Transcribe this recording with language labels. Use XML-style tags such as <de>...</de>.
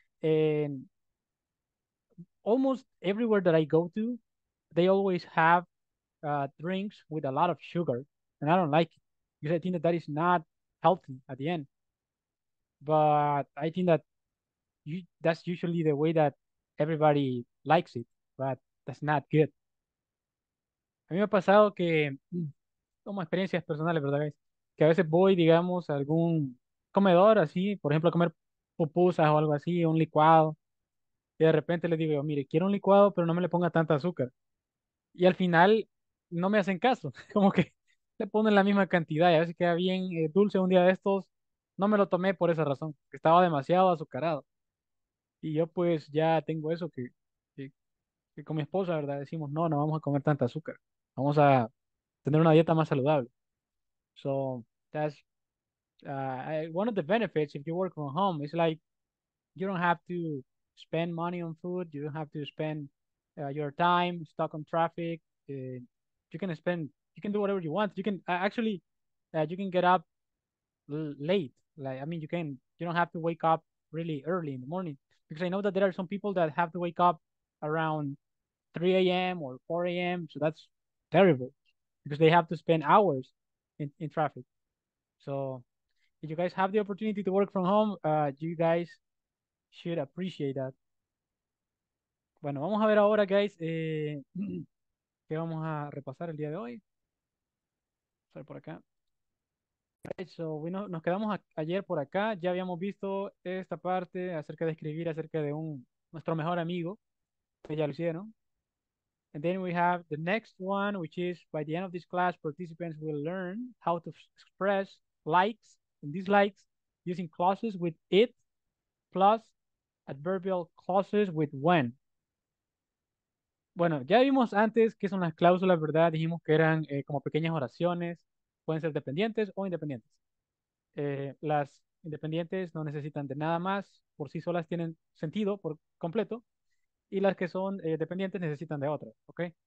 <en>And almost everywhere that I go to, they always have drinks with a lot of sugar, and I don't like it because I think that that is not healthy at the end. But I think that that's usually the way that everybody likes it, but that's not good.</en> <es>A mí me ha pasado que, como experiencias personales, ¿verdad, guys? Que a veces voy, digamos, a algún comedor así, por ejemplo, a comer pupusas o algo así, un licuado. Y de repente le digo yo, mire, quiero un licuado, pero no me le ponga tanta azúcar. Y al final no me hacen caso, como que le ponen la misma cantidad y a veces queda bien dulce un día de estos. No me lo tomé por esa razón, estaba demasiado azucarado. Y yo pues ya tengo eso que con mi esposa, ¿verdad? Decimos, no, no vamos a comer tanta azúcar, vamos a tener una dieta más saludable.</es> <en>So that's one of the benefits if you work from home. It's like you don't have to spend money on food, you don't have to spend your time stuck on traffic. You can do whatever you want. You can actually you can get up l late. Like, I mean, you don't have to wake up really early in the morning, because I know that there are some people that have to wake up around 3 a.m. or 4 a.m. So that's terrible because they have to spend hours in traffic. So if you guys have the opportunity to work from home, you guys should appreciate that.</en> <es>Bueno, vamos a ver ahora, guys, qué vamos a repasar el día de hoy. Sale por acá. So, nos quedamos ayer por acá. Ya habíamos visto esta parte acerca de escribir acerca de nuestro mejor amigo. Que ya lo hicieron.</es> <en>And then we have the next one, which is by the end of this class, participants will learn how to express likes and dislikes using clauses with it plus adverbial clauses with when.</en> <es>Bueno, ya vimos antes qué son las cláusulas, ¿verdad? Dijimos que eran como pequeñas oraciones. Pueden ser dependientes o independientes. Las independientes no necesitan de nada más. Por sí solas tienen sentido por completo. Y las que son dependientes necesitan de otras, ¿ok?</es>